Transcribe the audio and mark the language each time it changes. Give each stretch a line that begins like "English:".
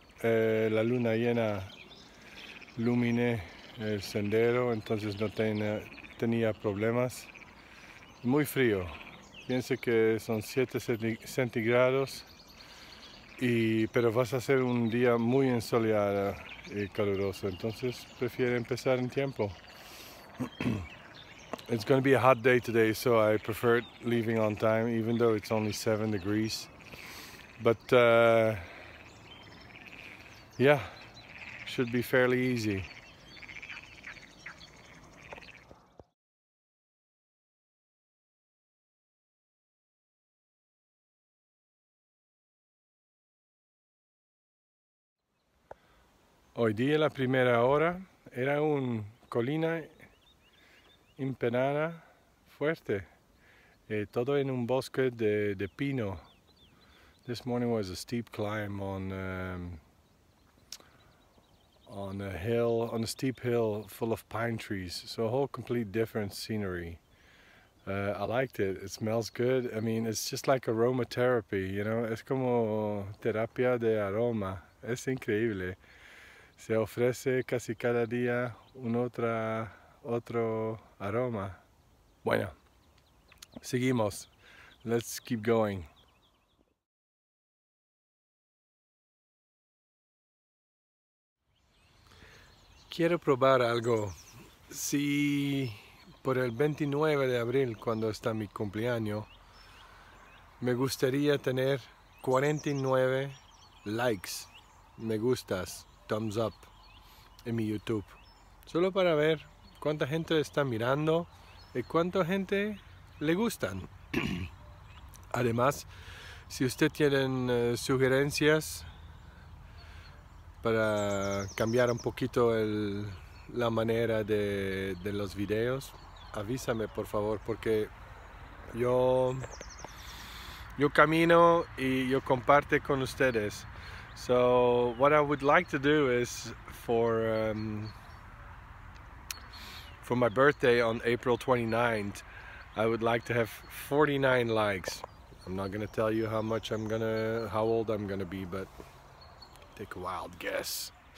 Spanish: La luna llena iluminé el sendero, entonces no tenía problemas. Muy frío, piense que son 7 centígrados, pero vas a hacer un día muy ensoleado y caluroso, entonces prefiero empezar en tiempo.
English: It's going to be a hot day today, so I prefer leaving on time, even though it's only 7 degrees. But yeah, should be fairly easy.
Spanish: Hoy día la primera hora era una colina empinada fuerte, todo en un bosque de pino.
English: This morning was a steep climb on a steep hill full of pine trees. So a whole complete different scenery. I liked it. It smells good. I mean, it's just like aromatherapy, you know.
Spanish: Es como terapia de aroma. Es increíble. Se ofrece casi cada día un otro aroma. Bueno, seguimos.
English: Let's keep going.
Spanish: Quiero probar algo. Si por el 29 de abril, cuando está mi cumpleaños, me gustaría tener 49 likes, me gustas,
English: thumbs up
Spanish: en mi YouTube, solo para ver cuánta gente está mirando y cuánta gente le gustan. Además, si usted tiene sugerencias para cambiar un poquito la manera de los videos, avísame por favor, porque yo camino y yo comparto con ustedes.
English: So what I would like to do is for my birthday on April 29th, I would like to have 49 likes. I'm not gonna tell you how old I'm gonna be, but take a wild guess.